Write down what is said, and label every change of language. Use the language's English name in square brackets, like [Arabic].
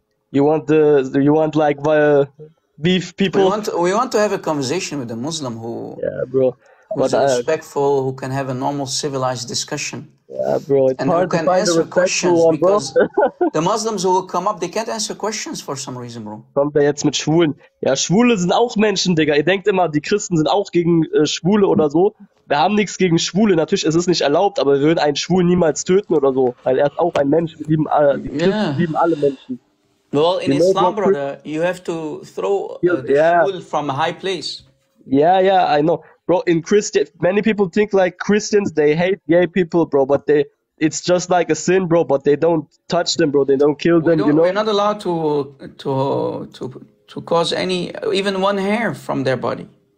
[English] You want like beef people? We want to have a conversation with a Muslim who... Yeah, bro. Who's respectful, who can have a normal civilized discussion. Yeah, bro. It's and hard who can to find answer a questions one, bro. Because the Muslims who will come up, they can't answer questions for some reason, bro. [German] Kommt er jetzt mit Schwulen? Ja, Schwule sind auch Menschen, Digga. Ihr denkt immer, die Christen sind auch gegen Schwule oder so. Wir haben nichts gegen Schwule. Natürlich, es ist nicht erlaubt, aber wir würden einen Schwulen niemals töten oder so. Weil er ist auch ein Mensch. Wir lieben alle, die Christen lieben alle Menschen. [English] Well, in you Islam, brother, you have to throw the [German] Schwule [English] from a high place. Yeah, yeah, I know. Bro, in Christian, many people think like Christians, they hate gay people, bro, but they, it's just like a sin, bro, but they don't touch them, bro, they don't kill them, don't, you know? We're not allowed to cause any, even one hair from their body.